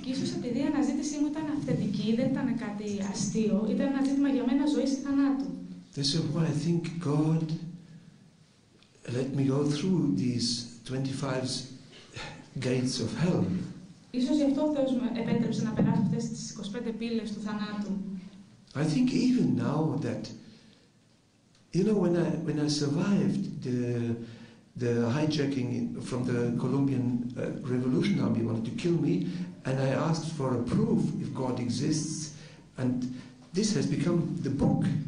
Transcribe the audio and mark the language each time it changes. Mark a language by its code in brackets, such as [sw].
[el] Ίσως επειδή η αναζήτησή μου ήταν αυθεντική, δεν ήταν κάτι αστείο, ήταν ένα ζήτημα για μένα ζωής ή θανάτου. [en] This is why I think God let me go through these 25 gates of hell. [el] Ίσως γι' αυτό ο Θεός μου επέτρεψε να περάσω αυτές τις 25 πύλες του θανάτου. [en] I think even now that, you know, when I survived the hijacking from the Colombian Revolution Army wanted to kill me, and I asked for a proof if God exists, and this has become the book.